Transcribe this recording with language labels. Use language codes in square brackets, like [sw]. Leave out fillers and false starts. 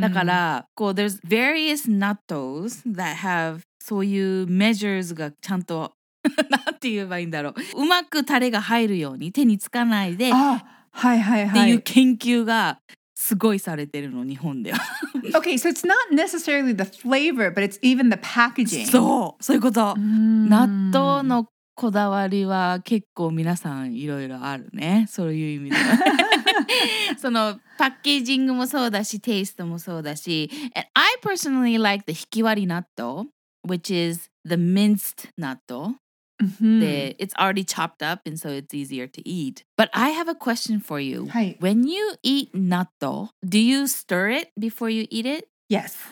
[ja] だからこう [en] there's various nattos that have [ja] そういう [en] measures [ja] がちゃんとなんて言えばいいんだろう。うまくタレが入るように手につかないで、はいはいはい、っていう研究がすごいされてるの日本では。 [en] Okay, so it's not necessarily the flavor, but it's even the packaging. [ja] そう、そういうこと。納豆のこだわりは結構皆さんいろいろあるね。そういう意味では。そのパッケージングもそうだし、テイストもそうだし。 [en] And I personally like the 引き割り納豆, which is the minced 納豆. Mm-hmm. で、it's already chopped up and so it's easier to eat. But I have a question for you. [ja] はい。 [en] When you eat 納豆, do you stir it before you eat it? Yes.